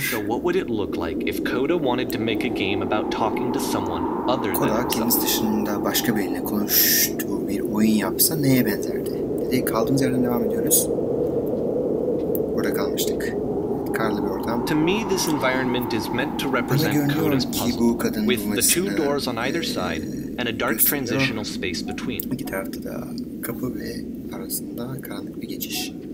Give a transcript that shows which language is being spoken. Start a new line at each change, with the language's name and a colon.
English: So what would it look like if Coda wanted to make a game about talking to someone other than
Turkish: Coda, kendisi dışında başka biriyle konuştuğu bir oyun yapsa neye benzerdi? Dedi, kaldığımız yerden devam ediyoruz. Burada kalmıştık. Karlı bir ortam.
English: To me, this environment is meant to represent Coda's puzzle with the two doors on either side and a dark transitional space between.
Turkish: İki tarafta da kapı ve arasında karanlık bir geçiş.